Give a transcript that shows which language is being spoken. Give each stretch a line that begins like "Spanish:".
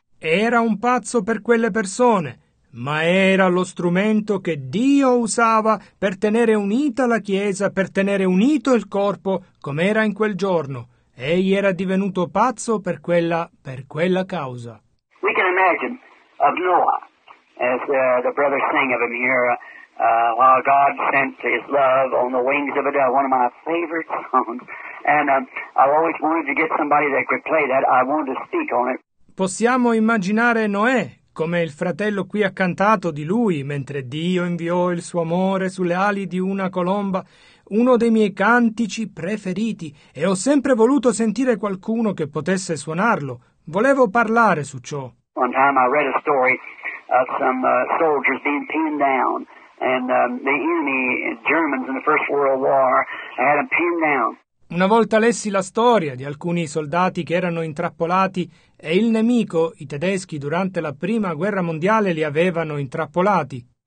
Italian: Era un pazzo per quelle persone. Ma era lo strumento che Dio usava per tenere unita la Chiesa, per tenere unito il corpo, come era in quel giorno. Egli era divenuto pazzo per quella causa.
English: We can imagine of Noah, as the brothers sing of him here, while God sent his love on the wings of a dove, one of my favorite songs. And I always wanted to get somebody that could play that. I wanted to speak on it.
Italian: Possiamo immaginare Noè, come il fratello qui ha cantato di lui, mentre Dio inviò il suo amore sulle ali di una colomba, uno dei miei cantici preferiti, e ho sempre voluto sentire qualcuno che potesse suonarlo. Volevo parlare su ciò.
English: One time I read a story of some soldiers being pinned down, and the enemy, Germans in the First World War, had them pinned down.
Italian: Una volta lessi la storia di alcuni soldati che erano intrappolati e il nemico, i tedeschi, durante la Prima Guerra Mondiale li avevano intrappolati.